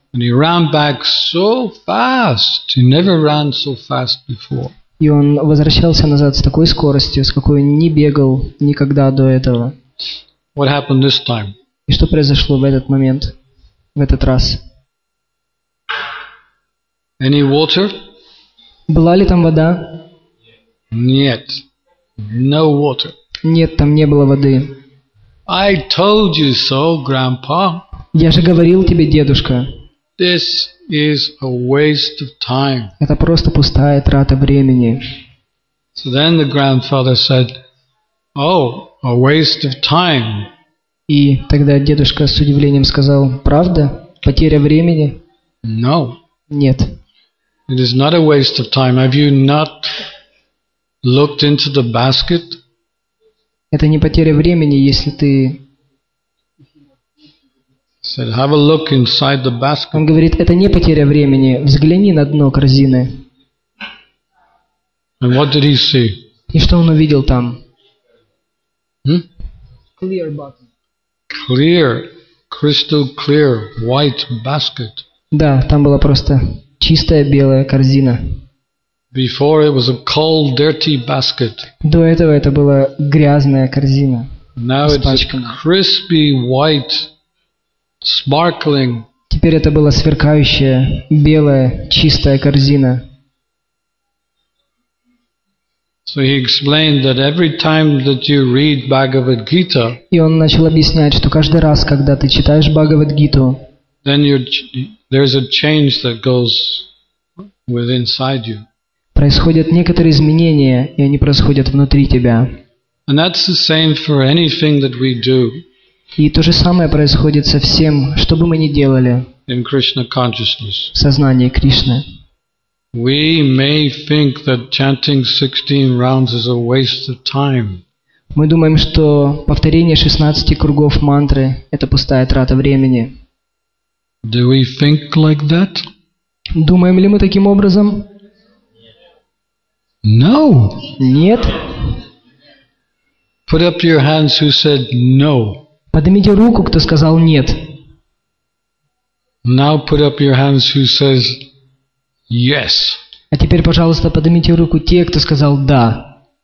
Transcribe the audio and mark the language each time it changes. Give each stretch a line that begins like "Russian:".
English: And he ran back so fast. He never ran so fast before.
Russian: И он возвращался назад с такой скоростью, с какой не бегал никогда до этого.
English: What happened this time?
Russian: И что произошло в этот момент, в этот раз?
English: Any water?
Russian: Была ли там вода? Нет.
English: No water.
Russian: Нет, там не было воды.
English: I told you so, Grandpa.
Russian: Я же говорил тебе, дедушка.
English: This is a waste of time.
Russian: Это просто пустая трата времени.
English: So then the grandfather said, "Oh, a waste of time."
Russian: И тогда дедушка с удивлением сказал: "Правда? Потеря времени?"
English: No.
Russian: Нет.
English: It is not a waste of time. Have you not looked into the basket?
Russian: Это не потеря времени, если ты.
English: Said, have a look inside the basket.
Russian: Он говорит, это не потеря времени. Взгляни на дно корзины.
English: And what did he see?
Russian: И что он увидел там?
English: Clear bottom. Clear, crystal clear, white basket.
Russian: Да, там было просто. Чистая белая корзина.
English: Before it was a cold, dirty basket.
Russian: До этого это была грязная корзина.
English: Now it's a crispy, white, sparkling.
Russian: Теперь это была сверкающая, белая, чистая корзина.
English: So he explained that every time that you read Bhagavad Gita.
Russian: И он начал объяснять, что каждый раз, когда ты читаешь Бхагавад Гиту.
English: Then there's a change that goes within inside you.
Russian: Происходят некоторые изменения, и они происходят внутри тебя.
English: And that's the same for anything that we do.
Russian: И то же самое происходит со всем, что бы мы ни делали.
English: In Krishna consciousness.
Russian: В сознании Кришны.
English: We may think that chanting 16 rounds is a waste of time.
Russian: Мы думаем, что повторение 16 кругов мантры это пустая трата времени.
English: Do we think like that?
Russian: Думаем ли мы таким образом?
English: No.
Russian: Нет.
English: Put up your hands who said no.
Russian: Поднимите руку, кто сказал нет.
English: Now put up your hands who says yes.
Russian: А теперь, пожалуйста, поднимите руку те, кто сказал да.